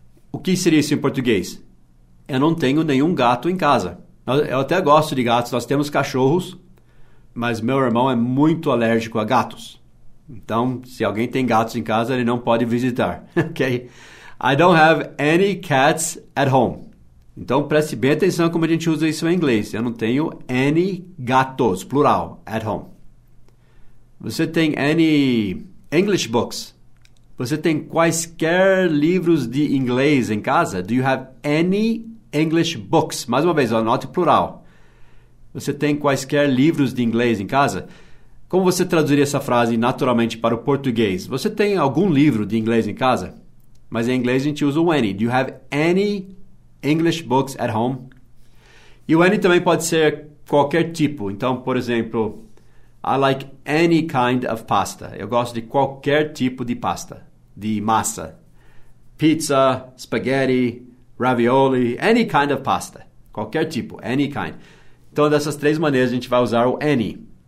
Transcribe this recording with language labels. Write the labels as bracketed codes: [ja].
[pt] O que seria isso em português? Eu não tenho nenhum gato em casa. Eu até gosto de gatos, nós temos cachorros, mas meu irmão é muito alérgico a gatos. Então, se alguém tem gatos em casa, ele não pode visitar, ok? [en] I don't have any cats at home. [pt] Então, preste bem atenção como a gente usa isso em inglês. Eu não tenho any gatos, plural, [en] at home. [pt] Você tem any English books? Você tem quaisquer livros de inglês em casa? [en] Do you have any English books. [pt] Mais uma vez, anote plural. Você tem quaisquer livros de inglês em casa? Como você traduziria essa frase naturalmente para o português? Você tem algum livro de inglês em casa? Mas em inglês a gente usa o any. [en] Do you have any English books at home? [pt] E o any também pode ser qualquer tipo. Então, por exemplo, [en] I like any kind of pasta. [pt] Eu gosto de qualquer tipo de pasta, de massa. [en] Pizza, spaghetti, ravioli, any kind of pasta. [pt] Qualquer tipo, [en] any kind. [pt] Então, dessas três maneiras, a gente vai usar o any.